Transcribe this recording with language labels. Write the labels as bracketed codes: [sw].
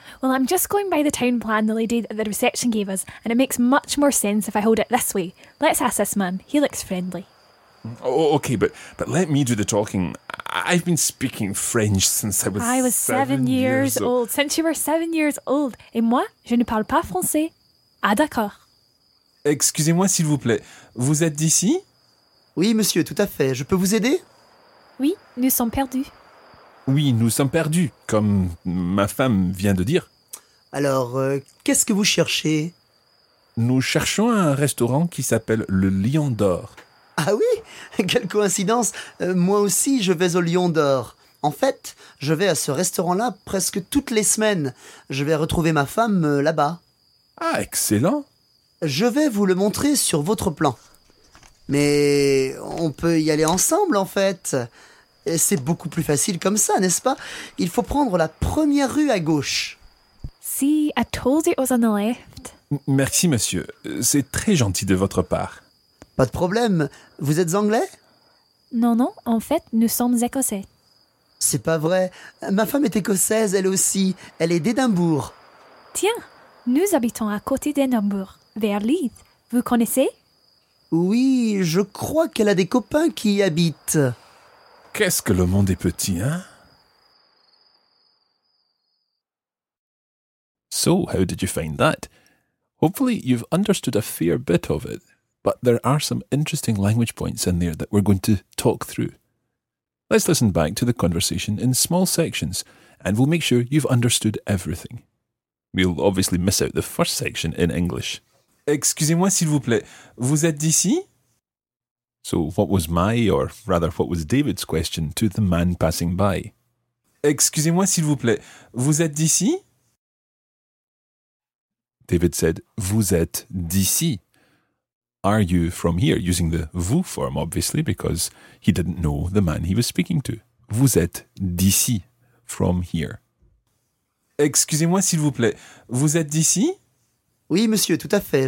[en] Well, I'm just going by the town plan the lady at the reception gave us, and it makes much more sense if I hold it this way. Let's ask this man. He looks friendly. Oh, okay, but let me do the talking. I've been speaking French since I was seven years old. Since you were 7 years old. [fr] Et moi, je ne parle pas français. Ah, d'accord. Excusez-moi, s'il vous plaît. Vous êtes d'ici? Oui, monsieur, tout à fait. Je peux vous aider? Oui, nous sommes perdus. Oui, nous sommes perdus, comme ma femme vient de dire. Alors, qu'est-ce que vous cherchez? Nous cherchons un restaurant qui s'appelle le Lion d'Or. Ah oui? Quelle coïncidence! Moi aussi, je vais au Lion d'Or. En fait, je vais à ce restaurant-là presque toutes les semaines. Je vais retrouver ma femme là-bas. Ah, excellent! Je vais vous le montrer sur votre plan. Mais on peut y aller ensemble, en fait. Et c'est beaucoup plus facile comme ça, n'est-ce pas? Il faut prendre la première rue à gauche. [en] Si, I told you it was on the left. [fr] Merci, monsieur. C'est très gentil de votre part. Pas de problème. Vous êtes anglais? Non. En fait, nous sommes écossais. C'est pas vrai. Ma femme est écossaise, elle aussi. Elle est d'Édimbourg. Tiens, nous habitons à côté d'Édimbourg. Vers Leith, vous connaissez? Oui, je crois qu'elle a des copains qui y habitent. Qu'est-ce que le monde est petit, hein? [en] So, how did you find that? Hopefully, you've understood a fair bit of it, but there are some interesting language points in there that we're going to talk through. Let's listen back to the conversation in small sections, and we'll make sure you've understood everything. We'll obviously miss out the first section in English. [fr] Excusez-moi, s'il vous plaît. Vous êtes d'ici? [en] So what was my, or rather what was David's question to the man passing by? [fr] Excusez-moi, s'il vous plaît. Vous êtes d'ici? [en] David said, [fr] vous êtes d'ici. [en] Are you from here? Using the vous form, obviously, because he didn't know the man he was speaking to. [fr] Vous êtes d'ici, [en] from here. [fr] Excusez-moi, s'il vous plaît. Vous êtes d'ici? Oui, monsieur, tout à fait.